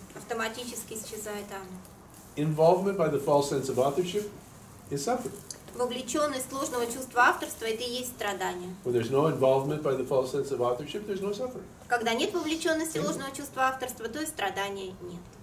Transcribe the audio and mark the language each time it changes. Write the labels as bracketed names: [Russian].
[Russian] Автоматически исчезает оно. [English] Involvement by the false sense of authorship is suffering. [Russian] Вовлеченность ложного чувства авторства это и есть страдание. [English] When there's no involvement by the false sense of authorship, there's no suffering. [Russian] Когда нет вовлеченности ложного чувства авторства, то и страдания нет.